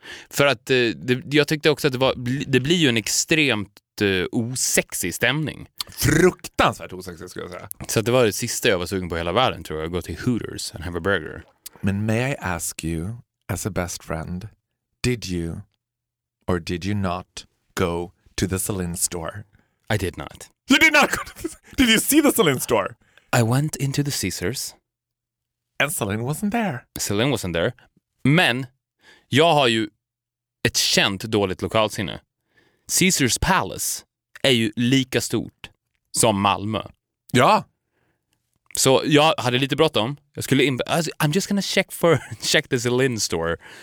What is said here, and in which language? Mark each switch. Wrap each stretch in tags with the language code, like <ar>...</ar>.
<sv>För att jag tyckte också att det blir ju en extremt osexig stämning. Fruktansvärt osexig skulle jag säga. Så att det var det sista jag var sugen på hela världen, tror jag. Gå till Hooters</sv> <en>and have a burger. Men may I ask you, as a best friend, did you or did you not go to the Celine store? I did not. You did not go to the... Did you see the Celine store? I went into the Caesars. And Celine wasn't there. Celine wasn't there.</en> <sv>Men jag har ju ett känt dåligt lokalsinne. Caesars Palace är ju lika stort som Malmö. Ja. Så jag hade lite bråttom. Jag skulle in,</sv> <en>I'm just gonna check the Celine store.</en>